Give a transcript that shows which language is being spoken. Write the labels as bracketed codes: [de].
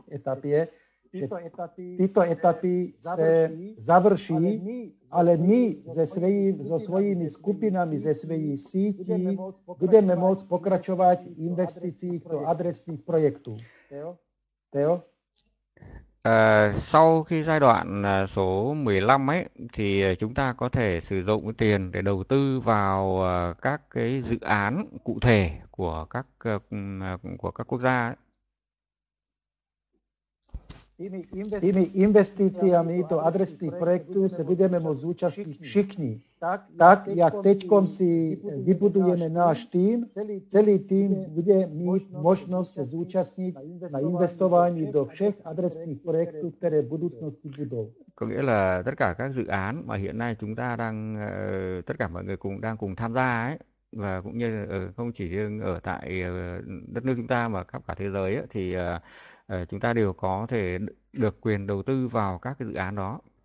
[cs] etapě, že tyto etapy se završí, ale my se svojimi skupinami, ze svojí sítí budeme moct pokračovat v investicích do adresných projektů. Teo? [vi] Sau khi giai đoạn số 15 ấy thì chúng ta có thể sử dụng tiền để đầu tư vào các cái dự án cụ thể của các quốc gia [sk] tými investíciami [cs] do adresných projektů se budeme moct zúčastnit všichni. Tak, jak teďkom si vybudujeme náš tým, celý tým bude mít možnost se zúčastnit na investování do všech adresných projektů, které v budoucnosti budou. [vi] Có nghĩa là tất cả các dự án mà hiện nay chúng ta đang, tất cả mọi người đang cùng tham gia ấy, và cũng như không chỉ riêng ở tại đất nước chúng ta mà khắp cả thế giới ấy, thì chúng ta đều có thể được quyền đầu tư vào các cái dự án đó.